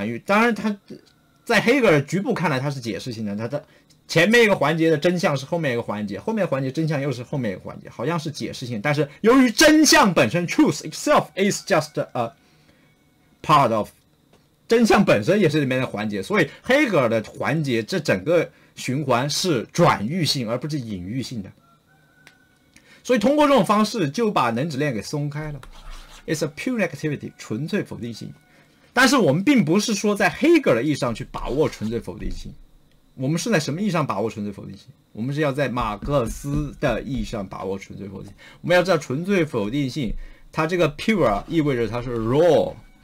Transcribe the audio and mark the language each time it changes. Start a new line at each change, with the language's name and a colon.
Chinese: 当然，它在黑格尔局部看来它是解释性的，它的前面一个环节的真相是后面一个环节，后面环节真相又是后面一个环节，好像是解释性。但是由于真相本身
English: truth itself is just a part of。
Chinese: 真相本身也是里面的环节，所以黑格尔的环节这整个循环是转喻性而不是隐喻性的，所以通过这种方式就把能指链给松开了。
English: It's a pure negativity，
Chinese: 纯粹否定性。但是我们并不是说在黑格尔的意义上去把握纯粹否定性，我们是在什么意义上把握纯粹否定性？我们是要在马克思的意义上把握纯粹否定性。我们要知道纯粹否定性它这个 pure 意味着它是 raw